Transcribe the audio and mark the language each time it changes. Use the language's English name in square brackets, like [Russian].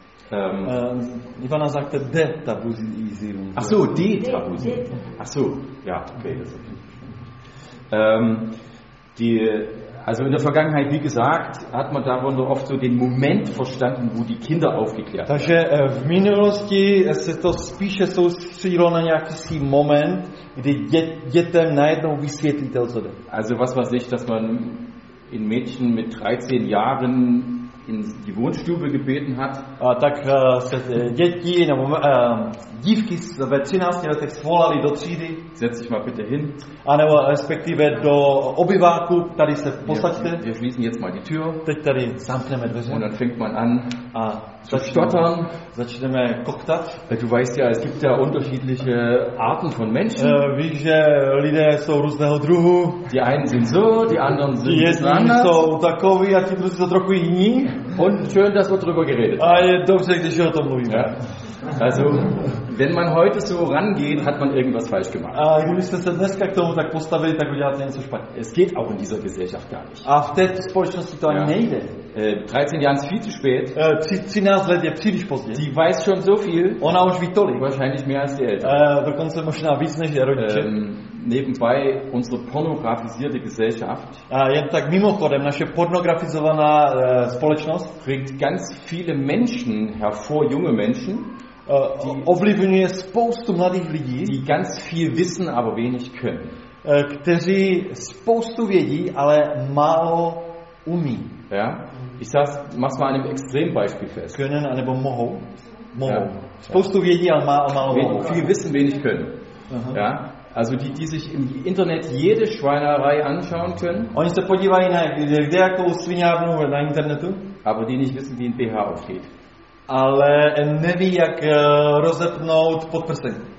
[German] Ivana sagte Detabuisierung. Ach so, Detabuisierung. Ach so, ja, okay, das ist okay. Also in der Vergangenheit, wie gesagt, hat man darunter oft so den Moment verstanden, wo die Kinder aufgeklärt werden. [Czech] Takže v minulosti se to spíše soustředilo na nějaký moment, kdy dětem najednou vysvětlíte, co jde. [German] Also was weiß ich, dass man in Mädchen mit 13 Jahren in die Wohnstube gebeten hat. [Czech] A tak se děti nebo dívky ve 13 letech zvolali do třídy. [German] Setz dich mal bitte hin. [Czech] A nebo respektive do obyváku, tady se posaďte. [German] Wir schließen jetzt mal die Tür. [Czech] Teď tady zamkneme dveře. [German] Und dann fängt man an [Czech] a začneme koktat. [German] Du weißt ja, es gibt ja unterschiedliche Arten von Menschen. [Czech] Víš, že lidé jsou různého druhu. [German] Die einen sind so, die anderen sind anders. [Czech] Die jedni jsou takový a ti druzí jsou trochu jiní. [German] Und schön, dass wir drüber geredet haben. [Czech] A je dobře, když o tom mluvíme. [German] Also, Wenn man heute so rangeht, hat man irgendwas falsch gemacht. [Czech] A kdybyste se dneska k tomu tak postavili, tak uděláte něco špatně. [German] Es geht auch in dieser Gesellschaft gar nicht. [Czech] A v této společnosti to ani nejde. [German] 13 Jahre ist viel zu spät. [Czech] 13 let je příliš pozdě. [German] Sie weiß schon so viel. [Czech] Ona už ví tolik. [German] Wahrscheinlich mehr als die Eltern. [Czech] Dokonce možná víc než je rodiče. [German] Nebenbei unsere pornografisierte Gesellschaft. [Czech] Jen tak mimochodem, naše pornografizovaná společnost [German] bringt ganz viele Menschen hervor, junge Menschen. [Czech] Die ovlivňuje spoustu mladých lidí, [German] die ganz viel wissen, aber wenig können. [Czech] Kteří spoustu vědí, ale málo umí. [German] Ja? Ich sag's, mach's mal an einem Extrembeispiel fest. Können, [Czech] anebo mohou. Mohou. [German] Ja. [Czech] Spoustu vědí, ale málo mohou. [German] Viel wissen, wenig können. Uh-huh. Ja? Also die sich im Internet jede Schweinerei anschauen können. [Czech] Oni se podívají na kdejakou sviňárnu na internetu. [German] Aber die nicht wissen, wie ein BH aufgeht. [Czech] Ale neví, jak rozepnout podprsenku.